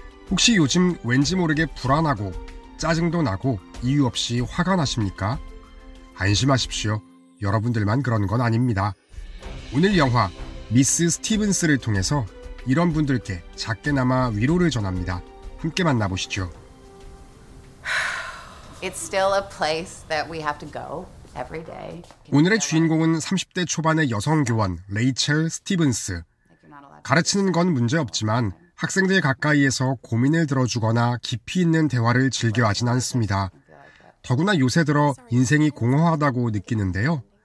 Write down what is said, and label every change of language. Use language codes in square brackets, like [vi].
[ko] 혹시 요즘 왠지 모르게 불안하고 짜증도 나고 이유 없이 화가 나십니까? 안심하십시오. 여러분들만 그런 건 아닙니다. 오늘 영화 미스 스티븐스를 통해서 이런 분들께 작게나마 위로를 전합니다. 함께 만나보시죠. [en] It's still a place that we have to go every day. [ko] 오늘의 주인공은 30대 초반의 여성 교원 레이첼 스티븐스. 가르치는 건 문제없지만 학생들 가까이에서 고민을 들어주거나 깊이 있는 대화를 즐겨 하진 않습니다. 더구나 요새 들어 인생이 공허하다고 느끼는데요.